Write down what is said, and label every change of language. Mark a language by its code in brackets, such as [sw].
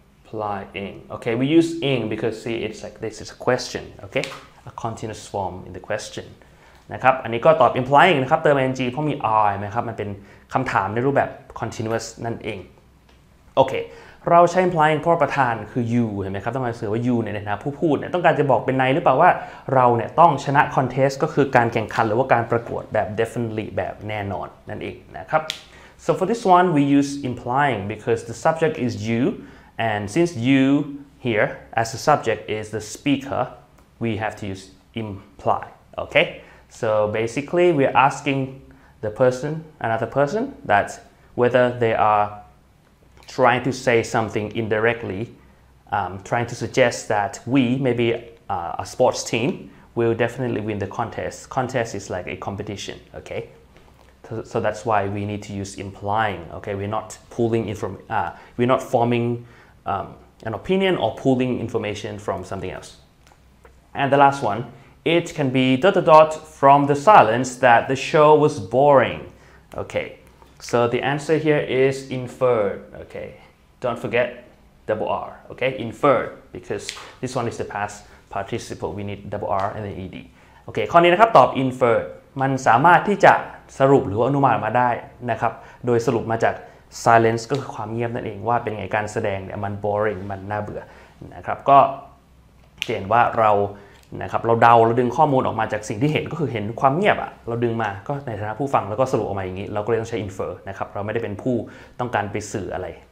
[en] Okay, we use ing because see, it's like this is a question. Okay, a continuous form in the question. [th] นะครับอันนี้ก็ตอบ implying นะครับเติม ing เพราะมี I ไหมครับมันเป็นคำถามในรูปแบบ continuous นั่นเอง โอเคเราใช้ implying เพราะประธานคือ you เห็นไหมครับต้องการสื่อว่า you ในฐานะผู้พูดเนี่ยต้องการจะบอกเป็นในหรือเปล่าว่าเราเนี่ยต้องชนะ contest ก็คือการแข่งขันหรือว่าการประกวดแบบ definitely แบบแน่นอนนั่นเองนะครับ [en] So for this one, we use implying because the subject is you, and since you here as the subject is the speaker, we have to use imply, okay? So basically, we're asking the person, another person, that whether they are trying to say something indirectly, trying to suggest that we, maybe a sports team, will definitely win the contest. Contest is like a competition, okay? So that's why we need to use implying. Okay, we're not pulling we're not forming an opinion or pulling information from something else. And the last one, it can be dot dot dot from the silence that the show was boring. Okay, so the answer here is inferred. Okay, don't forget double R. Okay, inferred because this one is the past participle. We need double R and then ed. [th] Okay, ข้อนี้นะครับตอบ inferred. มันสามารถที่จะสรุปหรืออนุมานมาได้นะครับโดยสรุปมาจาก silence ก็คือความเงียบนั่นเองว่าเป็นไงการแสดงเนี่ยมัน boring มันน่าเบื่อนะครับก็เห็นว่าเรานะครับเราเดาเราดึงข้อมูลออกมาจากสิ่งที่เห็นก็คือเห็นความเงียบอะเราดึงมาก็ในฐานะผู้ฟังแล้วก็สรุปออกมาอย่างนี้เราก็เลยต้องใช้ infer นะครับเราไม่ได้เป็นผู้ต้องการไปสื่ออะไร